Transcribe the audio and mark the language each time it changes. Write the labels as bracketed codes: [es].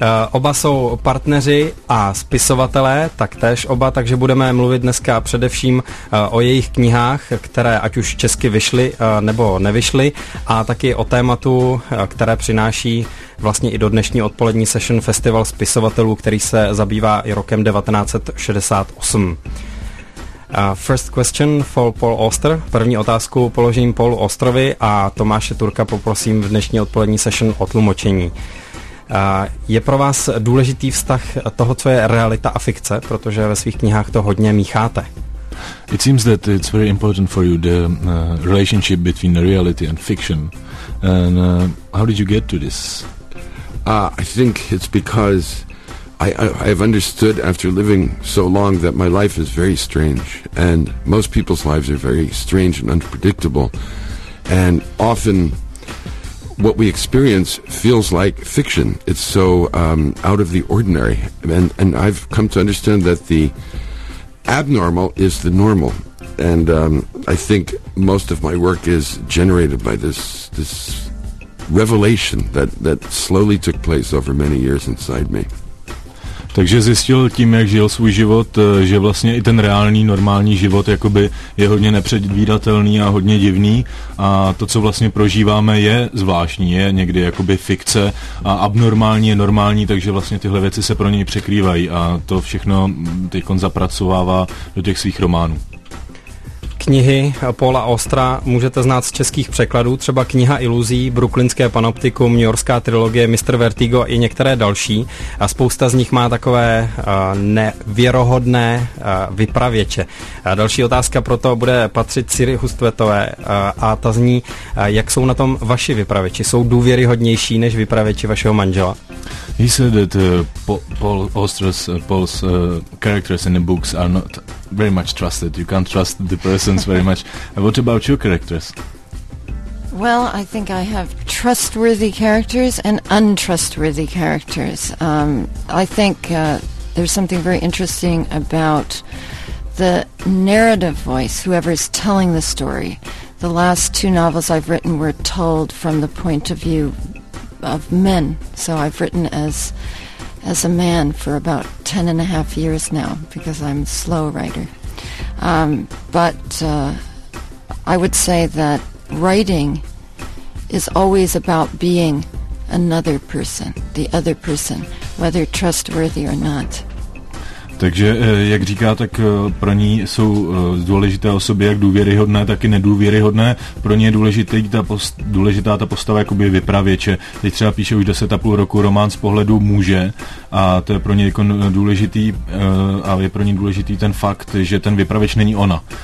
[cs] Oba jsou partneři a spisovatelé, taktéž oba, takže budeme mluvit dneska především o jejich knihách, které ať už česky vyšly nebo nevyšly, a taky o tématu, které přináší vlastně i do dnešní odpolední session Festival spisovatelů, který se zabývá i rokem 1968. [en] First question for Paul Auster. [cs] První otázku položím Paulu Austrovi a Tomáše Turka poprosím v dnešní odpolední session o tlumočení. Je pro vás důležitý vztah toho, co je realita a fikce, protože ve svých knihách to hodně mícháte? [en] It seems that it's very important for you, the relationship between reality and fiction. And how did you get to this? I think it's because I have understood after living so long that my life is very strange, and most people's lives are very strange and unpredictable, and often what we experience feels like fiction. It's so out of the ordinary, and I've come to understand that the abnormal is the normal, and I think most of my work is generated by this revelation that slowly took place over many years inside me. [cs] Takže zjistil tím, jak žil svůj život, že vlastně i ten reálný, normální život jakoby je hodně nepředvídatelný a hodně divný, a to, co vlastně prožíváme, je zvláštní, je někdy jakoby fikce, a abnormální je normální, takže vlastně tyhle věci se pro něj překrývají, a to všechno teďkon zapracovává do těch svých románů. Knihy Paula Austra můžete znát z českých překladů, třeba Kniha iluzí, Brooklynské panoptikum, New Yorkská trilogie, Mr. Vertigo i některé další. A spousta z nich má takové nevěrohodné vypravěče. Další otázka proto bude patřit Siri Hustvedtové, a ta zní, jak jsou na tom vaši vypravěči. Jsou důvěryhodnější než vypravěči vašeho manžela? [en] He said that Paul Auster's Paul's characters in the books are not very much trusted. You can't trust the persons very much. What about your characters? Well, I think I have trustworthy characters and untrustworthy characters. I think there's something very interesting about the narrative voice, whoever is telling the story. The last two novels I've written were told from the point of view of men, so I've written as a man for about 10.5 years now, because I'm a slow writer. I would say that writing is always about being another person, the other person, whether trustworthy or not. [cs] Takže, jak říká, tak pro ní jsou důležité osoby jak důvěryhodné, tak i nedůvěryhodné. Pro ní je důležitá ta postava jakoby vypravěče. Teď třeba píše už 10.5 roku román z pohledu muže, a to je pro ní důležitý, a je pro ní důležitý ten fakt, že ten vypravěč není ona.